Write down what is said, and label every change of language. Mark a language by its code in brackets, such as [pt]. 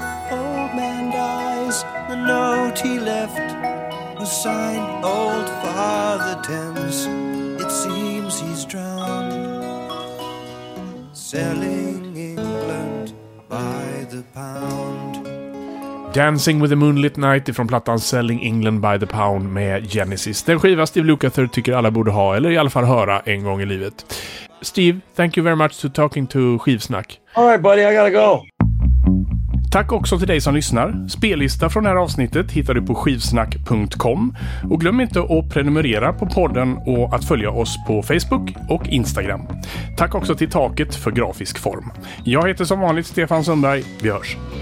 [en] Old man dies, the note he left was signed Old Father Thames. It seems he's drowned, selling England by the pound. [sv] Dancing with the Moonlit Night ifrån plattan Selling England by the Pound med Genesis. Den skiva Steve Lukather tycker alla borde ha, eller i alla fall höra en gång i livet. [en] Steve, thank you very much for talking to Skivsnack. All right buddy, I gotta go. [sv] Tack också till dig som lyssnar. Spellista från det här avsnittet hittar du på skivsnack.com. Och glöm inte att prenumerera på podden och att följa oss på Facebook och Instagram. Tack också till Taket för grafisk form. Jag heter som vanligt Stefan Sundberg. Vi hörs.